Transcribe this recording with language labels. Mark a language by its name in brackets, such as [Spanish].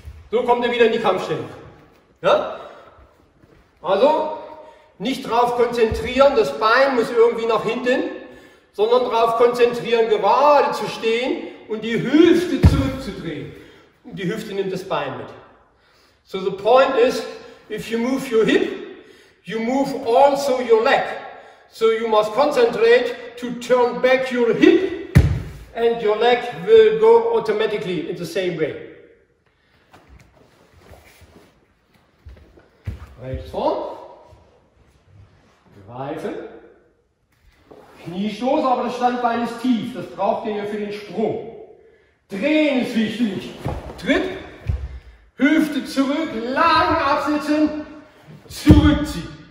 [German] So kommt ihr wieder in die Kampfstellung. Ja? Also, nicht darauf konzentrieren, das Bein muss irgendwie nach hinten, sondern darauf konzentrieren, gerade zu stehen und die Hüfte zurückzudrehen. Und die Hüfte nimmt das Bein mit. [English] So the point is, if you move your hip, you move also your leg. So you must concentrate to turn back your hip and your leg will go automatically in the same way. [German] Rechts vor, greifen, Kniestoß, aber das Standbein ist tief, das braucht ihr ja für den Sprung. Drehen ist wichtig, Tritt, Hüfte zurück, lang absitzen, zurückziehen.